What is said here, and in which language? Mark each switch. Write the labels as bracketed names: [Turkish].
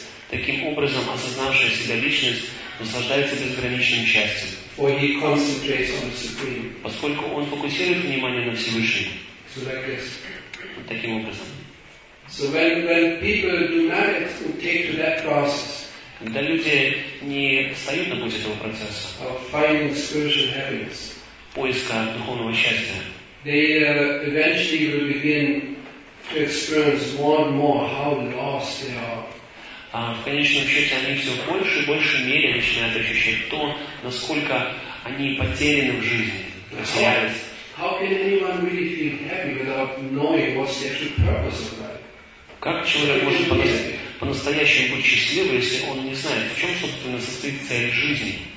[Russian] Таким образом, осознавшая себя личность наслаждается безграничным счастьем, поскольку он фокусирует внимание на Всевышнем. Вот таким образом. [English] So when people do not take to that process, [Russian] когда люди не встают на путь этого процесса, [English] of finding spiritual happiness, [Russian] поиска духовного счастья, [English] they eventually will begin to experience more and more how lost they are. [Russian] В конечном счете они все больше и больше мере начинают ощущать то, насколько они потеряны в жизни, потерялись. [English] How can anyone really feel happy without knowing what's the actual purpose of life? [Russian] Как человек может по-настоящему быть счастливым, если он не знает, в чем, собственно, состоит цель жизни?